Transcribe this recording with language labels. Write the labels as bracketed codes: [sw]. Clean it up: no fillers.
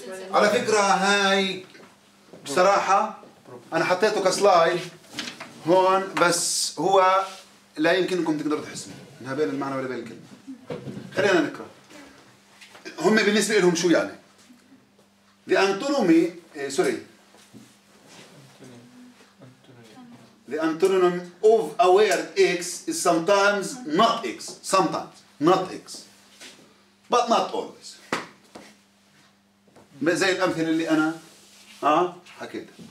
[ar] على فكرة هاي بصراحة أنا حطيته كسلايد هون بس هو لا يمكنكم تقدروا تحسبه إنها بين المعنى ولا بين الكلمة. خلينا نقرأ. هم بالنسبة لهم شو يعني؟ [en] The antonymy, sorry. The antonymy of a word X is sometimes not X. Sometimes not X, but not always. [ar] زي الأمثلة اللي أنا حكيت.